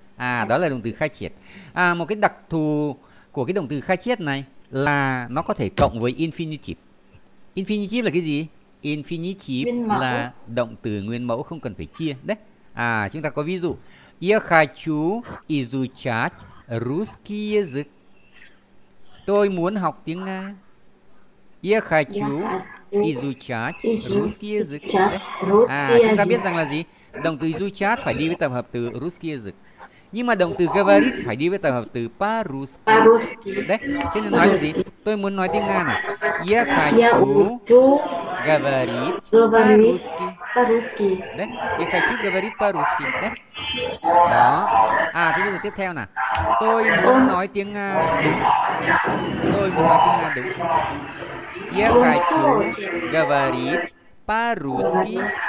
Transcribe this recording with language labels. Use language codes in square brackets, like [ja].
[vi] Đó là động từ khai triệt. Một cái đặc thù của cái động từ khai triệt này là nó có thể cộng với infinitive. Infinitive là cái gì? Infinitive là động từ nguyên mẫu không cần phải chia đấy. Chúng ta có ví dụ. Giờ khai chủ [ru] изучать русский язык. [vi] Tôi muốn học tiếng Nga. [ru] Я хочу изучать русский язык. [vi] Chúng ta biết rằng là gì? Động từ изучать phải đi với tập hợp từ русский язык. Nhưng mà động từ говорит phải đi với tập hợp từ по-русски. Đấy, cho nên nói là gì? Тôi muốn nói tiếng Nga nè. [ru] Я хочу говорить по-русски. Đấy, я хочу говорить по-русски. [vi] Đấy. Đó. Thế bây giờ tiếp theo nè. Tôi muốn nói tiếng Nga đúng. Tôi muốn nói tiếng Nga đúng. [ru] Я хочу говорить по-русски.